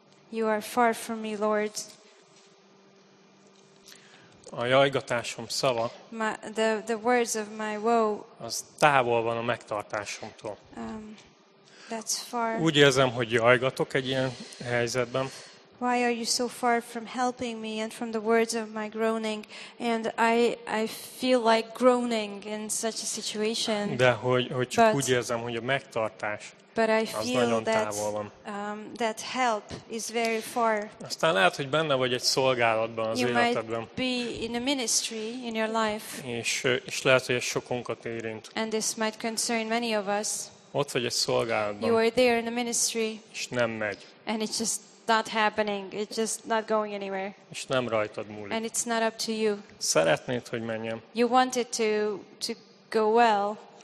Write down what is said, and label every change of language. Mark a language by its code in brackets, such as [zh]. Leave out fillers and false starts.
[en] You are far from me, Lord. [hu] A jajgatásom szava. [en] The words of my woe. [hu] Az távol van a megtartásomtól. [en] That's far. [hu] Úgy érzem, hogy jajgatok egy ilyen helyzetben. [en] Why are you so far from helping me and from the words of my groaning? And I feel like groaning in such a situation. [hu] De hogy csak úgy érzem, hogy a megtartás. [en] But I feel that that help is very far. [hu] Aztán lehet, hogy benne vagy egy szolgálatban az [en] you [hu] életedben. [en] Might be in a ministry in your life. [hu] És lehet, hogy ez sokunkat érint. [en] And this might concern many of us. [hu] Ott vagy egy szolgálatban. [en] You are there in a ministry. [hu] És nem megy. [en] And it's just not happening. It's just not going anywhere. [hu] És nem rajtad múlik. [en] And it's not up to you. [hu] Szeretnéd, hogy menjem. [en] You want it to go well.